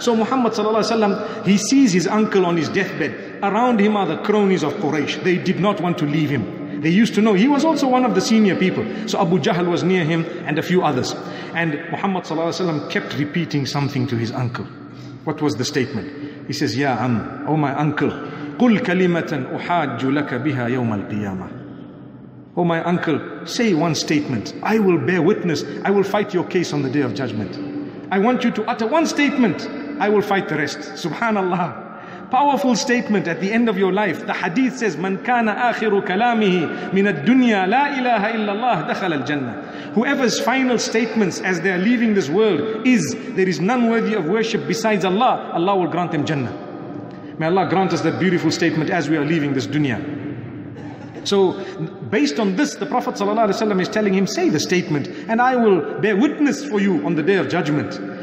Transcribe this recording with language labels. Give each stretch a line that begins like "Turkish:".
English: So Muhammad sallallahu alaihi wasallam, he sees his uncle on his deathbed. Around him are the cronies of Quraysh. They did not want to leave him. They used to know. He was also one of the senior people. So Abu Jahl was near him and a few others. And Muhammad sallallahu alaihi wasallam kept repeating something to his uncle. What was the statement? He says, Ya Am, oh my uncle,
Arabic: قل كلمة أحاج لك بها يوم القيامة.
English: Oh my uncle, say one statement. I will bear witness. I will fight your case on the day of judgment. I want you to utter one statement. I will fight the rest. Subhanallah. Powerful statement at the end of your life. The hadith says,
Arabic: من كان آخر كلامه من الدنيا لا إله إلا الله دخل الجنة.
English: Whoever's final statements as they are leaving this world is, there is none worthy of worship besides Allah, Allah will grant them Jannah. May Allah grant us that beautiful statement as we are leaving this dunya. So based on this, the Prophet ﷺ is telling him, say the statement and I will bear witness for you on the day of judgment.